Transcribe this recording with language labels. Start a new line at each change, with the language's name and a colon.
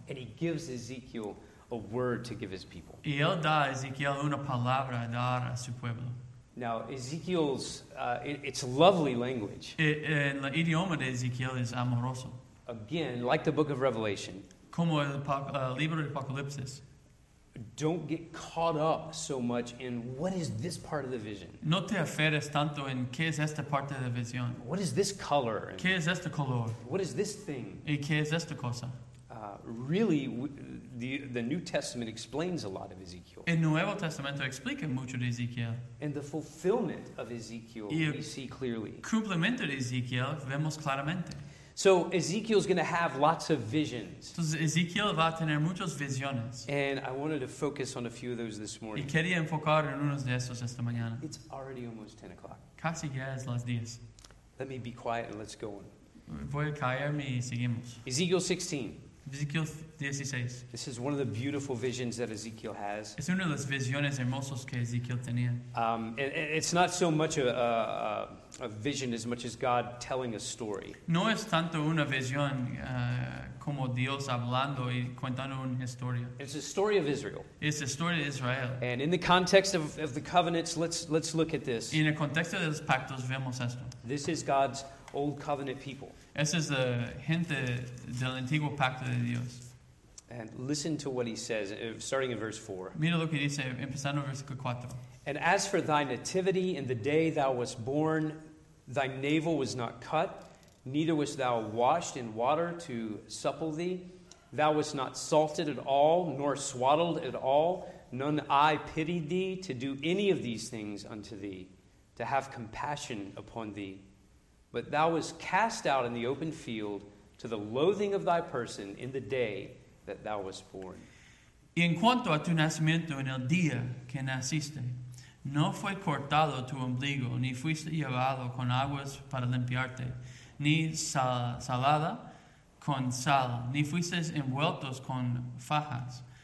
English: And he gives Ezekiel a word to give his people.
Spanish: Y él da a Ezekiel una palabra a dar a su pueblo.
English: Now, Ezekiel's, it's lovely language.
Spanish: El idioma de Ezekiel es amoroso.
English: Again, like the book of Revelation.
Spanish: Como el libro de Apocalipsis.
English: Don't get caught up so much in what is this part of the vision.
Spanish: No te aferes tanto en qué es esta parte de la visión.
English: What is this color?
Spanish: Qué es este color?
English: What is this thing?
Spanish: Y qué es esta cosa?
English: Really, the New Testament explains a lot of Ezekiel.
Spanish: El Nuevo Testamento explica mucho de Ezekiel.
English: And the fulfillment of Ezekiel we see clearly.
Spanish: El cumplimiento de Ezekiel vemos claramente.
English: So Ezekiel is going to have lots of visions.
Spanish: Entonces, Ezekiel va a tener muchas visiones.
English: And I wanted to focus on a few of those this morning.
Spanish: Y quería enfocar en unos de esos esta mañana.
English: It's already almost 10 o'clock.
Spanish: Casi ya es las 10.
English: Let me be quiet and let's go on.
Spanish: Voy a callarme y seguimos.
English: Ezekiel 16.
Spanish: Ezekiel 16.
English: This is one of the beautiful visions that Ezekiel has.
Spanish: Es una de las visiones hermosas que Ezekiel tenía.
English: It's not so much a vision as much as God telling a story.
Spanish: No es tanto una visión como Dios hablando y contando una historia.
English: It's a story of Israel.
Spanish: Es la historia de Israel.
English: And in the context of the covenants, let's look at this.
Spanish: Y en el contexto de los pactos vemos esto.
English: This is God's old covenant people.
Spanish: Esa es la gente del antiguo pacto de Dios.
English: And listen to what he says, starting in verse 4.
Spanish: Mira lo que dice, empezando en versículo 4.
English: And as for thy nativity, in the day thou wast born, thy navel was not cut, neither wast thou washed in water to supple thee. Thou wast not salted at all, nor swaddled at all. None I pitied thee to do any of these things unto thee, to have compassion upon thee. But thou wast cast out in the open field to the loathing of thy person in the day that thou wast born.
Spanish: Y en cuanto a tu nacimiento en el día que naciste, no fue cortado tu ombligo, ni fuiste llevado con aguas para limpiarte, ni salada con sal, ni fuiste envueltos con fajas.